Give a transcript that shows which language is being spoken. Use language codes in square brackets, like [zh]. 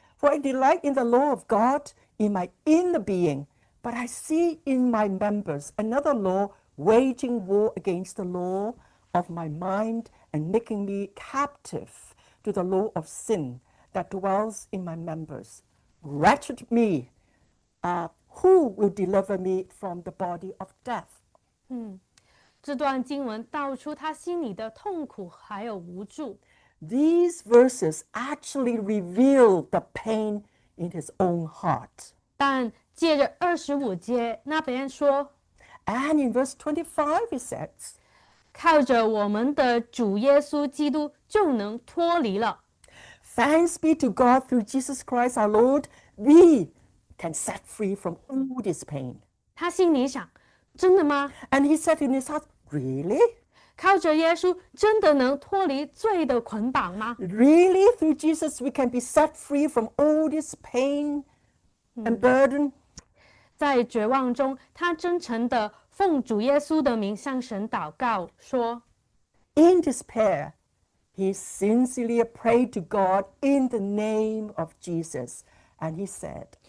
[en] For I delight in the law of God in my inner being, but I see in my members another law waging war against the law of my mind and making me captive to the law of sin that dwells in my members. Wretched me! Who will deliver me from the body of death? [zh] 这段经文道出他心里的痛苦还有无助。 [en] These verses actually reveal the pain in his own heart. [zh] 但借着25节，那边说， [en] And in verse 25, he says, [zh] 靠着我们的主耶稣基督就能脱离了。 [en] Thanks be to God through Jesus Christ our Lord, we can set free from all this pain. [zh] 他心里想，真的吗？ [en] And he said in his heart, really? [zh] 靠着耶稣真的能脱离罪的捆绑吗？ [en] Really, through Jesus, we can be set free from all this pain and burden? [zh] 在绝望中，他真诚地奉主耶稣的名向神祷告，说： [en] In despair, he sincerely prayed to God in the name of Jesus, and he said,